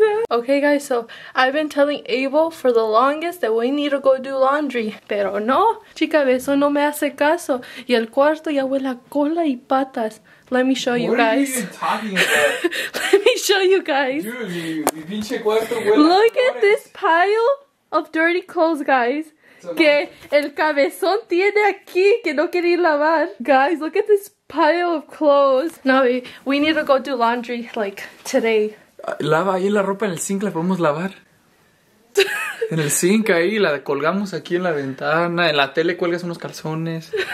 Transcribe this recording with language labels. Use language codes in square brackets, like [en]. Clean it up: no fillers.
[en] Okay guys, so I've been telling Abel for the longest that we need to go do laundry. [es] Pero no, chica, eso no me hace caso. Y el cuarto ya huele a cola y patas. [en] Let me show you guys. What are you even talking about? Let me show you guys. [es] Dude, mi pinche cuarto huele. [en] Look at this pile of dirty clothes, guys. [es] Que el cabezón tiene aquí que no quiere lavar. [en] Guys, look at this pile of clothes. No, we need to go do laundry like today. [es] Lava ahí la ropa en el sink, la podemos lavar. En el sink ahí la colgamos aquí en la ventana, en la tele cuelgas unos calzones.